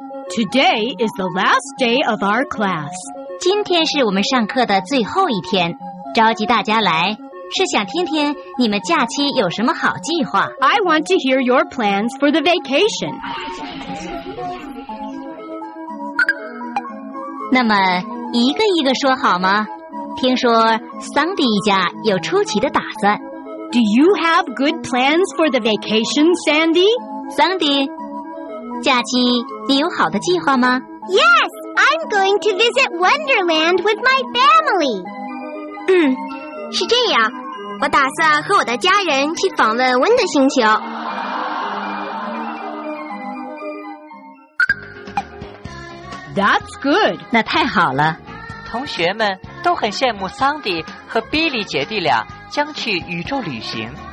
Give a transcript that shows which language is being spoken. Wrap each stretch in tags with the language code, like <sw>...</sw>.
<en>Today is the last day of our class.</en> <zh>今天是我们上课的最后一天，召集大家来。是想听听你们假期有什么好计划。</zh> <en>I want to hear your plans for the vacation.</en> <zh>那么一个一个说好吗？听说桑迪一家有出奇的打算。</zh> <en>Do you have good plans for the vacation, Sandy?</en> <zh>桑迪，假期你有好的计划吗？</zh> <en>Yes, I'm going to visit Wonderland with my family.</en> <zh>是这样，我打算和我的家人去访问温的星球。</zh> <en>That's good，</en> <zh>那太好了。同学们都很羡慕桑迪和比利姐弟俩将去宇宙旅行。</zh>